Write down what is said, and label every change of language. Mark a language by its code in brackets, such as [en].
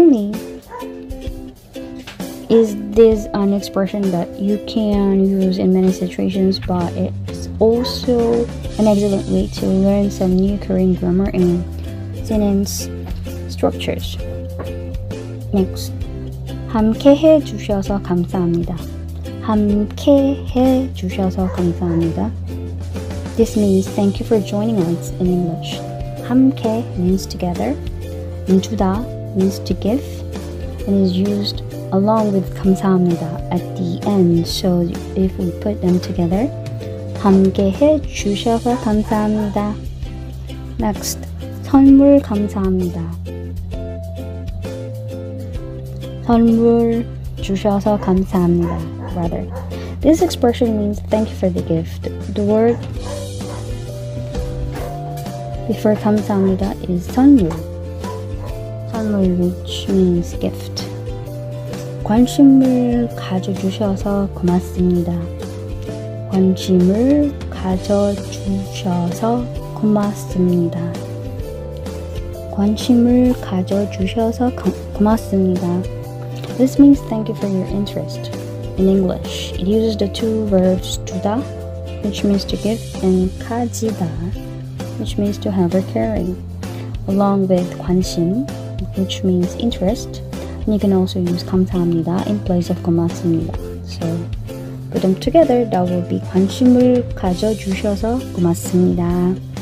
[en] Not only is this an expression that you can use in many situations, but it's also an excellent way to learn some new Korean grammar and sentence structures. Next. [ko] 함께 해 주셔서 감사합니다. 함께 해 주셔서 감사합니다. [en] This means thank you for joining us in English. 함께 means together. 주다 means to give. And is used along with 감사합니다 at the end. So if we put them together, [ko] 함께 해 주셔서 감사합니다. Next, 선물 감사합니다. 선물 주셔서 감사합니다. [en] Rather, this expression means thank you for the gift. The word before 감사합니다 is 선물. 선물, which means gift. [ko] 관심을 가져주셔서 고맙습니다. 관심을 가져주셔서 고맙습니다. 관심을 가져주셔서 고맙습니다. [en] This means thank you for your interest in English. It uses the two verbs 주다, which means to give, and 가지다, which means to have or carry, along with 관심, which means interest. And you can also use 감사합니다 in place of 고맙습니다. So put them together, that will be [ko] 관심을 가져주셔서 고맙습니다.